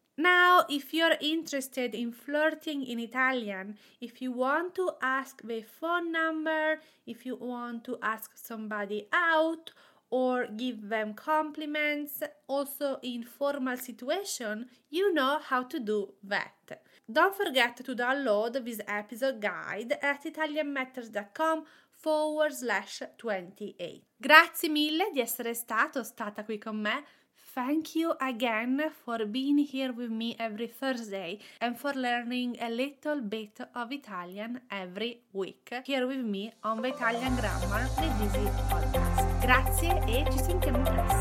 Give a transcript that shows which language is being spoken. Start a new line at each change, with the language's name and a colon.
English: Now, if you're interested in flirting in Italian, if you want to ask the phone number, if you want to ask somebody out or give them compliments, also in formal situation, you know how to do that. Don't forget to download this episode guide at italianmatters.com/28.
Italian: Grazie mille di essere stato stata qui con me.
English: Thank you again for being here with me every Thursday and for learning a little bit of Italian every week here with me on the Italian Grammar, the Easy Podcast.
Italian: Grazie e ci sentiamo presto.